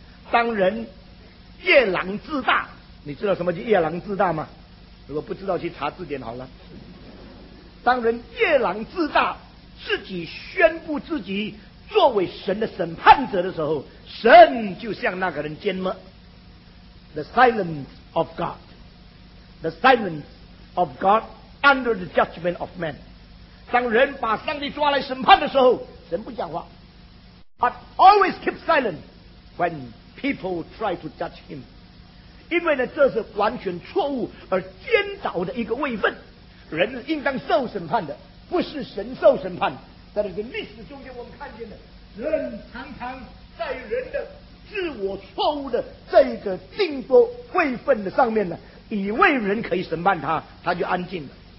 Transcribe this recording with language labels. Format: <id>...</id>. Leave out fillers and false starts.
<zh>当人夜郎自大，你知道什么叫夜郎自大吗？如果不知道去查字典好了。当人夜郎自大，自己宣布自己作为神的审判者的时候，神就向那个人缄默。</zh> <en>The silence of God, The silence of God under the judgment of man.</en> <zh>当人把上帝抓来审判的时候，神不讲话。</zh> <en>But always keep silent when people try to judge him.</en> <zh>因为呢，这是完全错误而颠倒的一个位分，人是应当受审判的，不是神受审判。在这个历史中间，我们看见的人常常在人的自我错误的这个定夺位分的上面呢，以为人可以审判他，他就安静了。</zh>